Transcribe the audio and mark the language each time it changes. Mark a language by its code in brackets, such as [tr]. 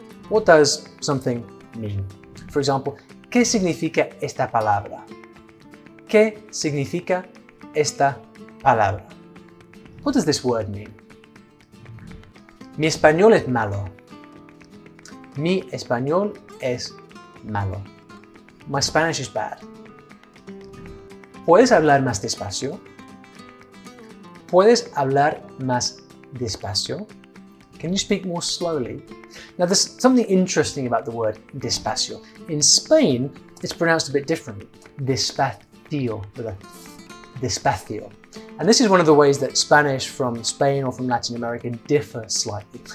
[en] What does something mean? For example, [es] ¿qué significa esta palabra? ¿Qué significa esta palabra? [en] What does this word mean? [es] Mi español es malo. Mi español es malo. [en] My Spanish is bad. [es] ¿Puedes hablar más despacio? ¿Puedes hablar más despacio? [en] Can you speak more slowly? Now, there's something interesting about the word despacio. In Spain, it's pronounced a bit differently. Despacio. Despacio. And this is one of the ways that Spanish from Spain or from Latin America differ slightly.